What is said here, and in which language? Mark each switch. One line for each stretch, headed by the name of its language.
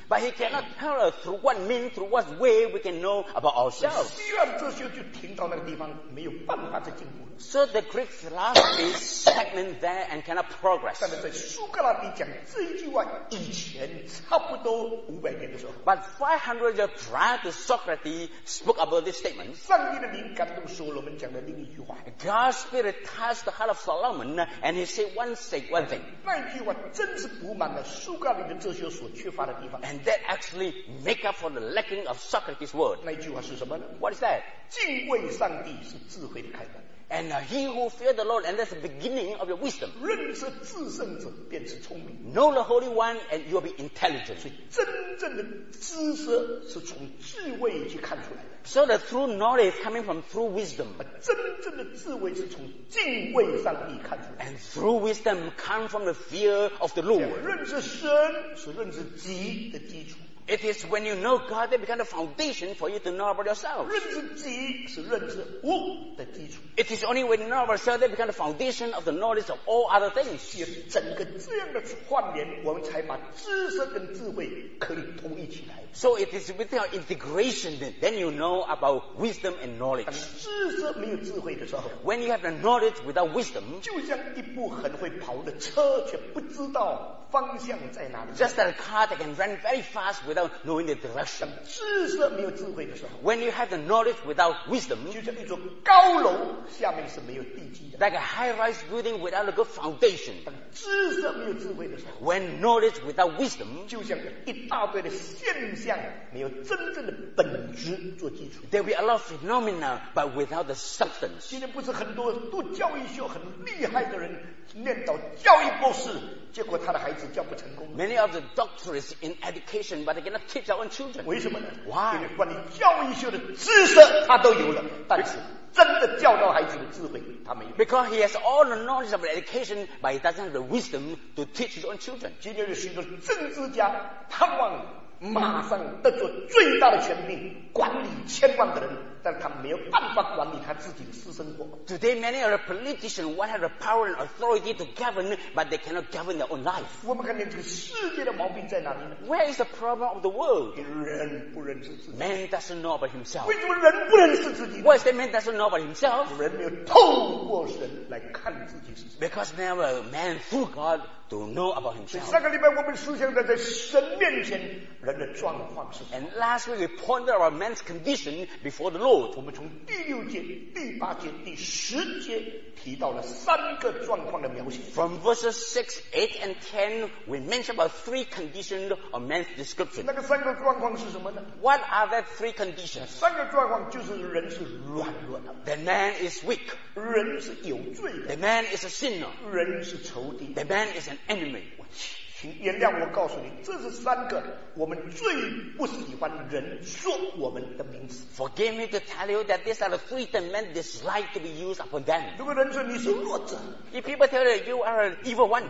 English: But he cannot tell us through what means, through what way we can know about ourselves.
Chinese: 希腊哲学就停到那个地方，没有办法再进步。
English: So the Greek philosophy is stagnant there and cannot progress.
Chinese: 但是在苏格拉底讲这句话以前，差不多500年的时候。
English: But 500 years prior to Socrates spoke about this statement.
Chinese: 上帝的灵感动所罗门讲的另一句话。
English: God's spirit touched the heart of Solomon, and he said one thing.
Chinese: 那句话真是补满了苏格拉底的哲学所缺乏的地方。
English: And that actually make up for the lacking of Socrates' word.
Chinese: 那句话是什么呢
English: ？What is that？
Chinese: 敬畏上帝是智慧的开端。
English: And he who fears the Lord, and that's the beginning of your wisdom.
Chinese: 认识至圣者便是聪明。
English: Know the Holy One, and you'll be intelligent.
Chinese: 所以真正的知识是从智慧去看出来的。
English: So the true knowledge coming from true wisdom.
Chinese: 真正的智慧是从敬畏上帝看出来的。
English: And true wisdom comes from the fear of the Lord.
Chinese: 认识神是认识己的基础。
English: It is when you know God that becomes the foundation for you to know about yourself.
Chinese: 认识己是认识物的基础。
English: It is only when you know about yourself that becomes the foundation of the knowledge of all other things.
Chinese: 借整个这样的串联，我们才把知识跟智慧可以统一起来。
English: So it is with your integration then you know about wisdom and knowledge.
Chinese: 当知识没有智慧的时候
English: ，When you have the knowledge without wisdom，
Chinese: 就像一部很会跑的车却不知道方向在哪里。
English: Just like a car that can run very fast without knowing the direction.
Chinese: 知识没有智慧的时候
English: ，When you have the knowledge without wisdom，
Chinese: 就像一座高楼下面是没有地基的。
English: Like a high-rise building without a good foundation.
Chinese: 当知识没有智慧的时候
English: ，When knowledge without wisdom，
Chinese: 就像一大堆的现象没有真正的本质做基础。
English: There will be a lot of phenomena but without the substance.
Chinese: 今天不是很多读教育学很厉害的人念到教育博士，结果他的孩子教不成功。
English: Many of the doctors in education, but they cannot teach their own children.
Chinese: 为什么呢
English: ？Why？
Chinese: 因为关于教育学的知识他都有了，但是真的教导孩子的智慧他没有。
English: Because he has all the knowledge of education, but he doesn't have the wisdom to teach his own children.
Chinese: 今天有许多政治家贪望马上得出最大的权利，管理千万的人。但他没有办法管理他自己的私生活。
English: Today, many of the politicians want the power and authority to govern, but they cannot govern their own life.
Chinese: 我们看见这个世界的毛病在哪里呢
English: ？Where is the problem of the world?
Chinese: 人不认识自己。
English: Man doesn't know about himself.
Chinese: 为什么人不认识自己
English: ？Why is that man doesn't know about himself?
Chinese: 人没有透过神来看自己是谁。
English: Because never man through God to know about himself.
Chinese: 上个礼拜我们思想在神面前人的状况是。
English: And last week we pondered about man's condition before the Lord.
Chinese: 我们从第六节、第八节、第十节提到了三个状况的描写。
English: From verses 6, 8, and 10, we mention about three conditions of man's description.
Chinese: 那个三个状况是什么呢
English: ？What are the three conditions？
Chinese: 三个状况就是人是软弱的。
English: The man is weak.
Chinese: 人是有罪的。
English: The man is a sinner.
Chinese: 人是仇敌。
English: The man is an enemy.
Chinese: 请原谅我告诉你这是三个我们最不喜欢人说我们的名字。
English: Forgive me to tell you that these are the three that men dislike to be used upon them.
Chinese: 如果人说你是弱者
English: If people tell you you are an evil one,